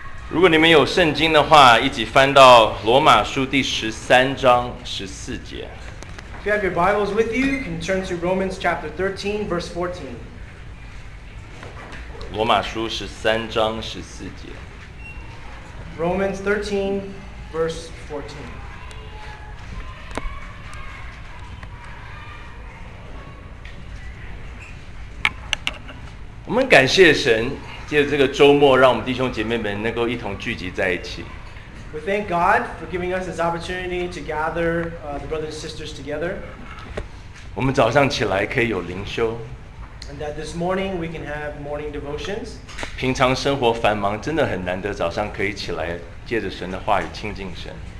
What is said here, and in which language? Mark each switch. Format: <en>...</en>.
<zh>如果你们有圣经的话，一起翻到罗马书第十三章十四节。</zh> <en>If you have your Bibles with you, you can turn to Romans chapter 13, verse 14.</en> <zh>罗马书十三章十四节。</zh> <en>Romans 13, verse 14.</en> <zh>我们感谢神。借着这个周末，让我们弟兄姐妹们能够一同聚集在一起。</zh> <en>We thank God for giving us this opportunity to gather the brothers and sisters together.</en> <zh>我们早上起来可以有灵修。</zh> <en>And that this morning we can have morning devotions.</en> <zh>平常生活繁忙，真的很难得早上可以起来，借着神的话语亲近神。</zh>